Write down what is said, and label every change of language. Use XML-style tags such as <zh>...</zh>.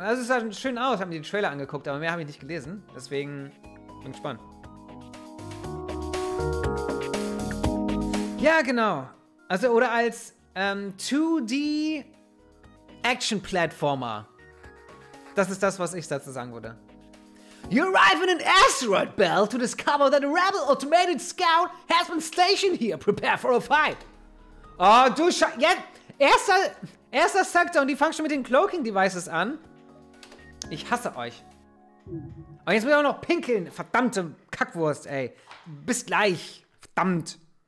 <de>Also es sah schön aus, habe mir den Trailer angeguckt, aber mehr habe ich nicht gelesen. Deswegen bin ich gespannt. Ja, genau. Also, oder als 2D-Action-Platformer. Das ist das, was ich dazu sagen würde.</de> <en>You arrive in an asteroid belt to discover that a rebel automated scout has been stationed here. Prepare for a fight.</en> <de>Oh, du Scheiße. Ja, erster Sektor und die fangen schon mit den Cloaking Devices an. Ich hasse euch. Und jetzt muss ich auch noch pinkeln. Verdammte Kackwurst, ey. Bis gleich. Verdammt.</de>